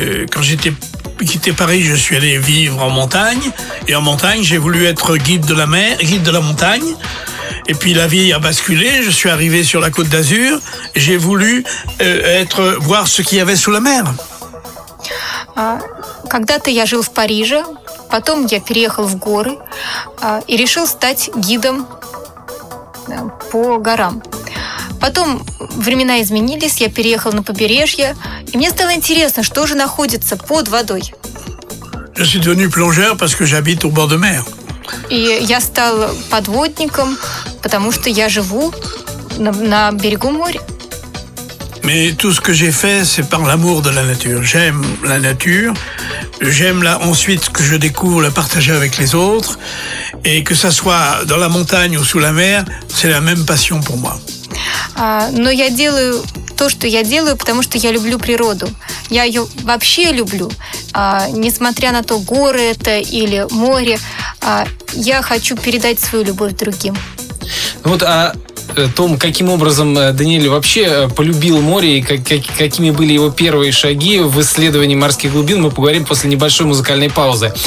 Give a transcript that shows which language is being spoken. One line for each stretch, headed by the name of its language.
French: Quand j'étais quitté Paris, je suis allé vivre en montagne. Et en montagne, j'ai voulu être guide de la mer, guide de la montagne. Et puis la vie a basculé, je suis arrivé sur la Côte d'Azur, j'ai voulu voir ce qu'il y avait sous la mer.
Russian: Когда-то я жил в Париже, потом я переехал в горы и решил стать гидом по горам. Потом времена изменились, я переехал на побережье, и мне стало интересно, что же находится под водой.
French: Je suis devenu plongeur parce que j'habite au bord de mer.
Russian: И я стал подводником, потому что я живу на берегу моря.
French: Mais tout ce que j'ai fait, c'est par l'amour de la nature. J'aime la nature. J'aime la ensuite que je découvre la partager avec les autres et que ça soit dans la montagne ou sous la mer, c'est la même passion pour moi.
Russian: Но я делаю то, что я делаю, потому что я люблю природу. Я ее вообще люблю. Несмотря на то, горы это или море, я хочу передать свою любовь другим. Вот о том, каким образом Даниэль вообще полюбил море и какими были его первые шаги в исследовании морских глубин, мы поговорим после небольшой музыкальной паузы.